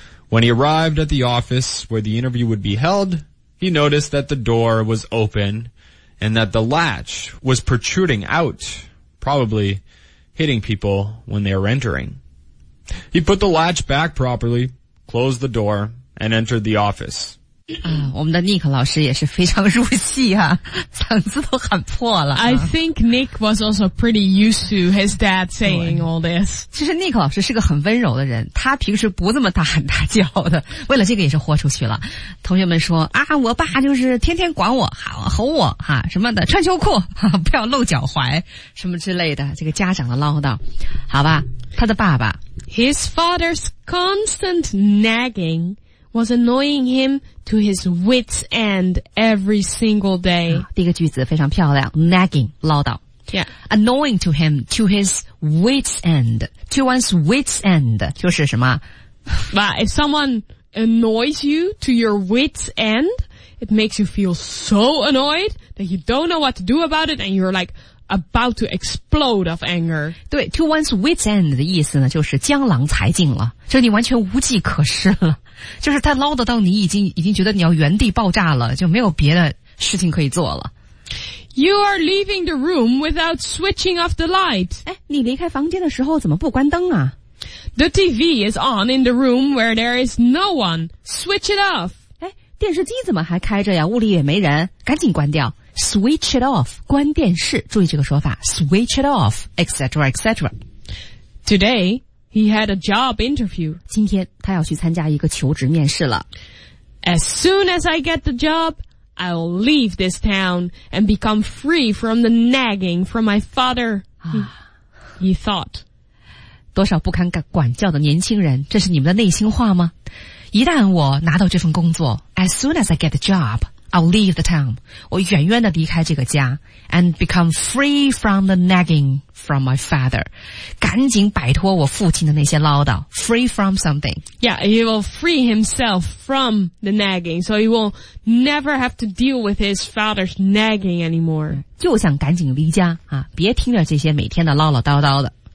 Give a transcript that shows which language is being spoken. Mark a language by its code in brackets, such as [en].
[en] When he arrived at the office where the interview would be held, he noticed that the door was open and that the latch was protruding out, probably hitting people when they were entering. He put the latch back properly, closed the door, and entered the office. [zh] 我们的 Nick 老师也是非常入戏啊，嗓子都喊破了。 [en] I think Nick was also pretty used to his dad saying all this. [zh] 其实 Nick 老师是个很温柔的人，他平时不这么大喊大叫的，为了这个也是豁出去了。同学们说啊，我爸就是天天管我，吼我哈、啊、什么的，穿秋裤、啊、不要露脚踝什么之类的，这个家长的唠叨。好吧，他的爸爸。 [en] His father's constant nagging. Was annoying him to his wit's end every single day.、 [zh] 啊、第一个句子非常漂亮 ,nagging, 唠叨。 [en] Yeah. Annoying to him to his wit's end. To one's wit's end, [zh] 就是什么 [en] But if someone annoys you to your wit's end, it makes you feel so annoyed that you don't know what to do about it and you're like... about to explode of anger. [zh] 对 , [en] to one's wit's end [zh] 的意思呢就是江郎才尽了，就你完全无计可施了，就是他唠叨到你已经觉得你要原地爆炸了，就没有别的事情可以做了。 [en] You are leaving the room without switching off the light. [zh] 诶，你离开房间的时候怎么不关灯啊？ [en] The TV is on in the room where there is no one. Switch it off. [zh] 诶，电视机怎么还开着呀？屋里也没人，赶紧关掉。 [en] Switch it off, [zh] 关电视，注意这个说法 [en] ,switch it off, etc, etc. Today, he had a job interview. [zh] 今天他要去参加一个求职面试了。 [en] As soon as I get the job, I'll leave this town and become free from the nagging from my father,、啊、 he thought. [zh] 多少不堪管教的年轻人，这是你们的内心话吗？一旦我拿到这份工作 [en] ,as soon as I get the job,I'll leave the town. [zh] 我远远地离开这个家 [en] and become free from the nagging from my father. [zh] 赶紧摆脱我父亲的那些唠叨 [en] free from something. Yeah, he will free himself from the nagging, so he will never have to deal with his father's nagging anymore. [zh] 就想赶紧离家啊，别听着这些每天的唠唠叨叨的。